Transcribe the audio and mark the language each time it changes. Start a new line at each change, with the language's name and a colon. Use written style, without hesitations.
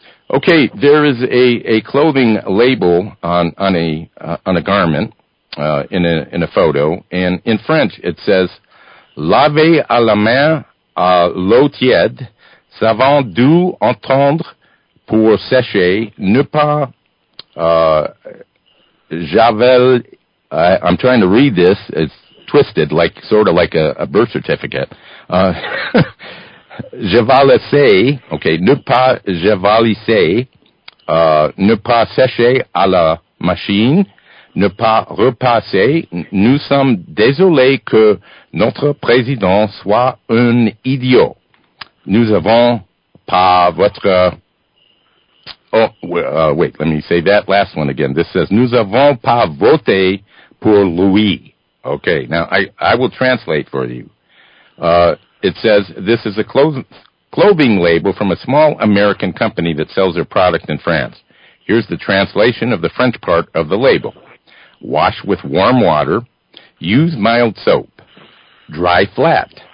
English: Okay, there is a clothing label on a garment in a photo, and in French it says,
French: "Lavez à la main à l'eau tiède, savon doux entendre pour sécher, ne pas javel."
English: I'm trying to read this. It's twisted, like sort of like a birth certificate.
French: Javalisez, okay, ne pas javalisez, ne pas sécher à la machine, ne pas repasser. Nous sommes désolés que notre président soit un idiot. Nous avons pas votre...
English: wait, let me say that last one again. This says,
French: nous avons pas voté pour lui.
English: Okay, now I will translate for you. It says, this is a clothing label from a small American company that sells their product in France. Here's the translation of the French part of the label. Wash with warm water. Use mild soap. Dry flat.